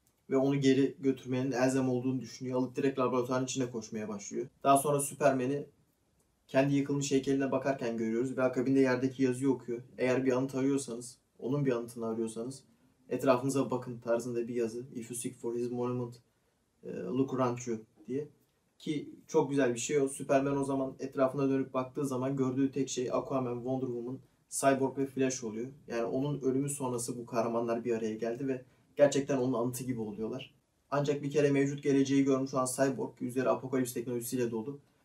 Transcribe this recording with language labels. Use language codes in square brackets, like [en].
[tr] Ve onu geri götürmenin elzem olduğunu düşünüyor. Alıp direkt laboratuvarın içine koşmaya başlıyor. Daha sonra Superman'i kendi yıkılmış heykeline bakarken görüyoruz. Ve akabinde yerdeki yazıyı okuyor. Eğer bir anıt arıyorsanız, onun bir anıtını arıyorsanız etrafınıza bakın tarzında bir yazı. [en] If you seek for his monument, look around you [tr] diye. Ki çok güzel bir şey o. Superman o zaman etrafına dönüp baktığı zaman gördüğü tek şey Aquaman, Wonder Woman, Cyborg ve Flash oluyor. Yani onun ölümü sonrası bu kahramanlar bir araya geldi ve gerçekten onun anıtı gibi oluyorlar. Ancak bir kere mevcut geleceği görmüş olan Cyborg, yüzleri apokalips teknolojisiyle dolu.